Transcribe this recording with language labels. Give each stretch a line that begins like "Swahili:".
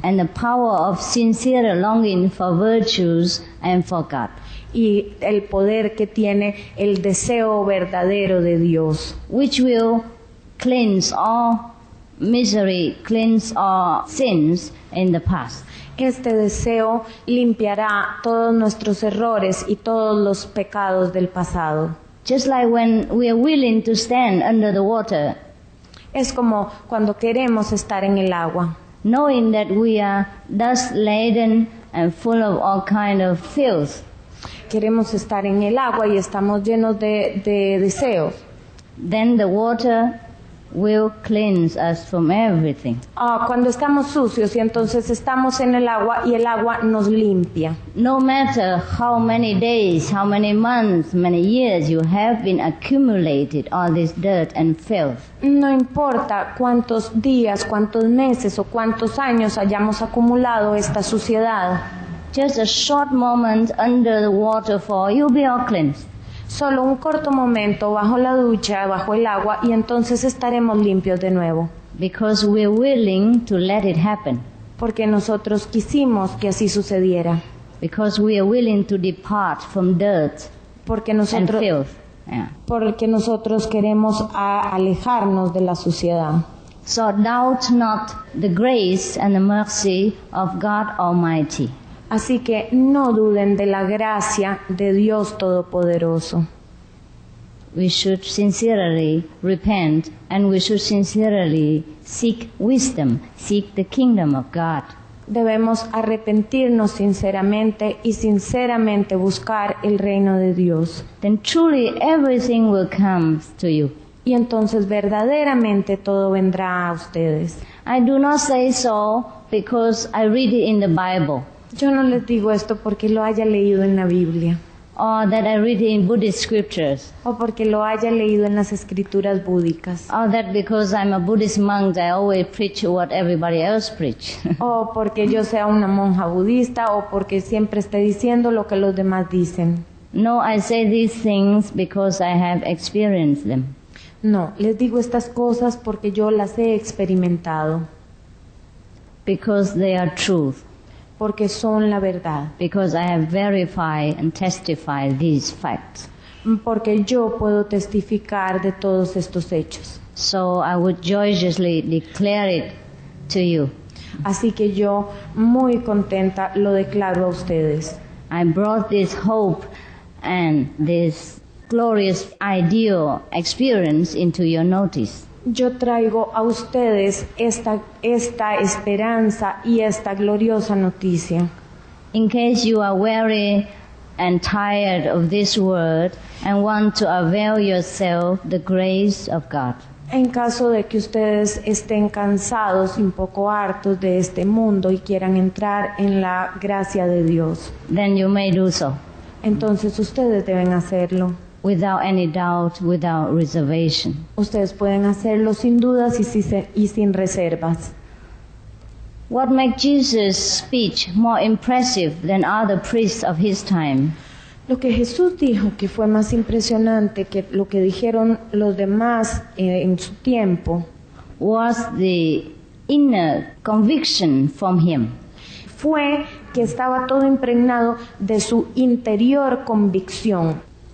English: And the power of sincere longing for virtues and for God.
Spanish: Y el poder que tiene el deseo verdadero de Dios.
English: Which will cleanse all misery, cleanse all sins in the past.
Spanish: Este deseo limpiará todos nuestros errores y todos los pecados del pasado.
English: Just like when we are willing to stand under the water.
Spanish: Es como cuando queremos estar en el agua.
English: Knowing that we are dust laden and full of all kind of filth.
Spanish: Queremos estar en el agua y estamos llenos de deseos.
English: Then the water will cleanse us from everything.
Spanish: Cuando estamos sucios y entonces estamos en el agua y el agua nos limpia.
English: No matter how many days, how many months, many years you have been accumulated all this dirt and filth.
Spanish: No importa cuántos días, cuántos meses o cuántos años hayamos acumulado esta suciedad.
English: Just a short moment under the waterfall, you'll be all cleansed.
Spanish: Solo un corto momento bajo la ducha, bajo el agua, y entonces estaremos limpios de nuevo.
English: Because we're willing to let it happen.
Spanish: Porque nosotros quisimos que así sucediera.
English: Because we are willing to depart from dirt and filth. Yeah.
Spanish: Porque nosotros queremos alejarnos de la suciedad.
English: So doubt not the grace and the mercy of God Almighty.
Spanish: Así que no duden de la gracia de Dios Todopoderoso.
English: We should sincerely repent and we should sincerely seek wisdom, seek the kingdom of God.
Spanish: Debemos arrepentirnos sinceramente y sinceramente buscar el reino de Dios.
English: Then truly everything will come to you.
Spanish: Y entonces verdaderamente todo vendrá a ustedes.
English: I do not say so because I read it in the Bible.
Spanish: Yo no les digo esto porque lo haya leído en la Biblia.
English: Or that I read it in Buddhist scriptures.
Spanish: O porque lo haya leído en las escrituras búdicas.
English: Or that because I'm a Buddhist monk, I always preach what everybody else preach.
Spanish: O porque yo sea una monja budista, o porque siempre esté diciendo lo que los demás dicen.
English: No, I say these things because I have experienced them.
Spanish: No, les digo estas cosas porque yo las he experimentado.
English: Because they are truth.
Spanish: Porque son la verdad.
English: Because I have verified and testified these facts.
Spanish: Porque yo puedo testificar de todos estos hechos.
English: So I would joyously declare it to you.
Spanish: Así que yo muy contenta lo declaro a ustedes.
English: I brought this hope and this glorious ideal experience into your notice.
Spanish: Yo traigo a ustedes esta esperanza y esta gloriosa noticia.
English: In case you are weary and tired of this world and want to avail yourself the grace of God.
Spanish: En caso de que ustedes estén cansados y un poco hartos de este mundo y quieran entrar en la gracia de Dios.
English: Then you may do so.
Spanish: Entonces ustedes deben hacerlo.
English: Without any doubt, without reservation.
Spanish: Ustedes pueden hacerlo sin dudas y sin reservas.
English: What makes Jesus' speech more impressive than other priests of his time?
Spanish: Lo que Jesús dijo que fue más impresionante que lo que dijeron los demás en su tiempo
English: was the inner conviction from him.
Spanish: Fue que estaba todo impregnado de su interior convicción.